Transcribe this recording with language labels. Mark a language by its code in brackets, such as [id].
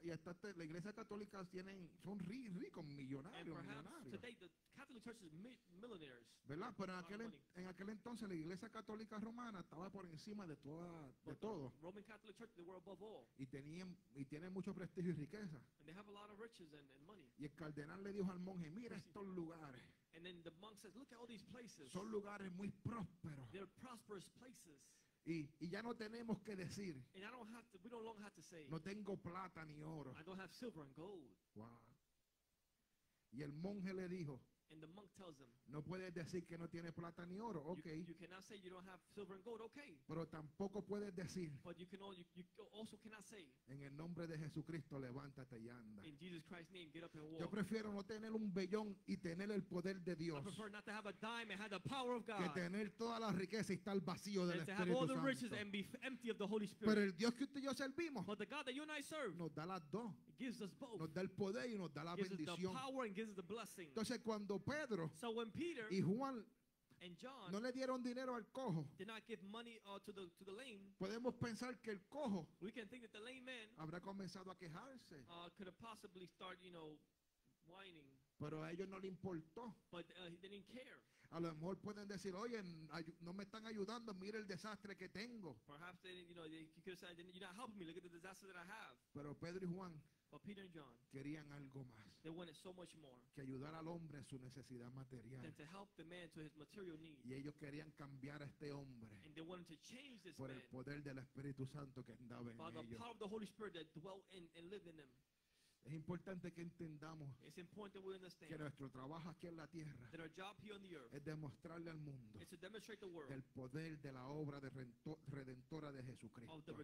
[es] Y hasta la iglesia católica tienen, son ricos, millonarios. [en] And perhaps today the Catholic Church is millionaires. [es] ¿Verdad? Pero en aquel entonces la iglesia católica romana estaba por encima de toda, de todo. [en] Roman Catholic Church, they were above all. [es] Y tienen mucho prestigio y riqueza. [en] And they have a lot of riches and money. [es] Y el cardenal le dijo al monje, mira estos lugares. [en] And then the monk says, look at all these places. [es] Son lugares muy prósperos. [en] They're prosperous places. [es] Y ya no tenemos que decir. [en] And I don't have to, we don't long have to say. [es] No tengo plata ni oro. [en] I don't have silver and gold. [es] Wow. Y el monje le dijo. [en] And the monk tells him. [es] No puedes decir que no tienes plata ni oro. [en] Okay. You cannot say you don't have silver and gold. Okay. [es] Pero tampoco puedes decir. [en] But you also cannot say. [es] En el nombre de Jesucristo, levántate y anda. [en] In Jesus Christ's name, get up and walk. [es] Yo prefiero no tener un vellón y tener el poder de Dios. [en] I prefer not to have a dime and have the power of God. [es] Que tener toda la riqueza y estar vacío del Espíritu Santo. [en] And to have all the riches and be empty of the Holy Spirit. [es] Pero el Dios que usted y yo servimos. [en] But the God that you and I serve. [es] Nos da las dos. [en] Gives us both. [es] Nos da el poder y nos da la bendición. [en] Gives us the power and gives us the blessing. [es] Entonces cuando Pedro [en] so when Peter [es] y Juan [en] and John [es] no le dieron dinero al cojo, [en] did not give money to the lame, [es] podemos pensar que el cojo, [en] we can think that the lame man [es] habrá comenzado a quejarse, [en] could have possibly started, you know, whining. [es] Pero a ellos no le importó. [en] But they didn't care. [es] A lo mejor pueden decir, oye, no me están ayudando, mire el desastre que tengo. [en] Perhaps they didn't, you know, you could have said, you're not helping me, look at the disaster that I have. [es] Pero Pedro y Juan, [en] but Peter and John, [es] querían algo más. [en] They wanted so much more. [es] Que ayudar al hombre en su necesidad material. [en] Than to help the man to his material needs. [es] Y ellos querían cambiar a este hombre. [en] And they wanted to change this man. [es] Por el poder del Espíritu Santo que andaba en ellos. [en] By the power of the Holy Spirit that dwelt in and lived in them. [es] Es importante que entendamos que nuestro trabajo aquí en la tierra es demostrarle al mundo el poder de la obra de redentora de Jesucristo.